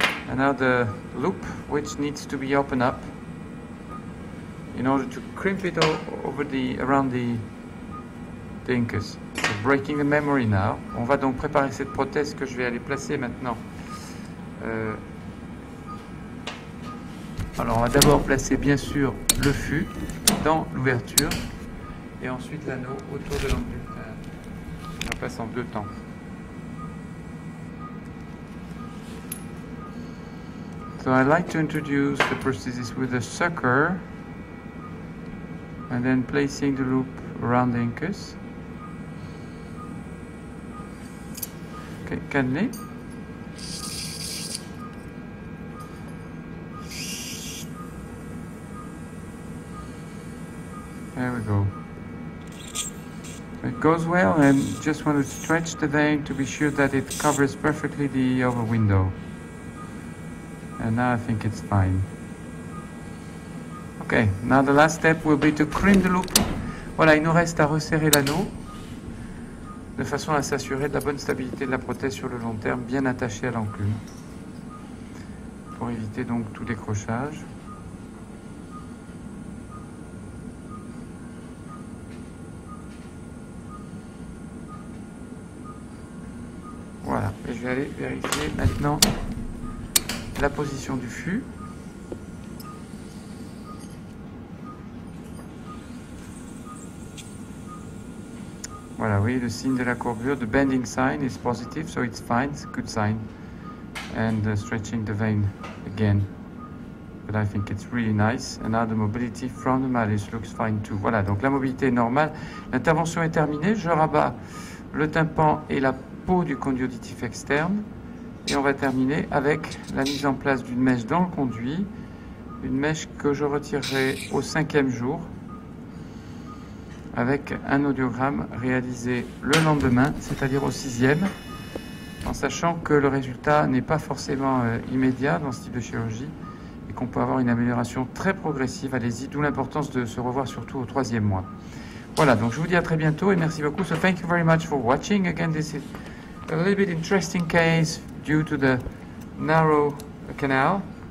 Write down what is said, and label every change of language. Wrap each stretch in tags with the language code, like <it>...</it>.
<en>Another loop which needs to be opened up in order to crimp it all over the around the incus. So breaking the memory now.</en> <fr>On va donc préparer cette prothèse que je vais aller placer maintenant. Alors on va d'abord placer bien sûr le fût dans l'ouverture et ensuite l'anneau autour de l'ampulle. On passe en deux temps.</fr> <en>So I like to introduce the prosthesis with a sucker and then placing the loop around the incus. Okay, Cannelé. There we go. It goes well and just want to stretch the vein to be sure that it covers perfectly the over window. And now I think it's fine. Okay, now the last step will be to crimp the loop</en> <fr>Voilà, il nous reste à resserrer l'anneau de façon à s'assurer de la bonne stabilité de la prothèse sur le long terme, bien attachée à l'enclume, pour éviter donc tout décrochage. Voilà, et je vais aller vérifier maintenant la position du fût. Voilà, oui, le signe de la courbure,</fr> <en>the bending sign is positive, so it's fine, it's a good sign. And stretching the vein again. But I think it's really nice. And now the mobility from the malleus looks fine too.</en> <fr>Voilà, donc la mobilité est normale. L'intervention est terminée. Je rabats le tympan et la peau du conduit auditif externe. Et on va terminer avec la mise en place d'une mèche dans le conduit. Une mèche que je retirerai au cinquième jour. Avec un audiogramme réalisé le lendemain, c'est-à-dire au sixième, en sachant que le résultat n'est pas forcément immédiat dans ce type de chirurgie et qu'on peut avoir une amélioration très progressive. Allez-y, d'où l'importance de se revoir surtout au troisième mois. Voilà, donc je vous dis à très bientôt et merci beaucoup.</fr> <en>So thank you very much for watching. Again, this is a little bit interesting case due to the narrow canal.</en>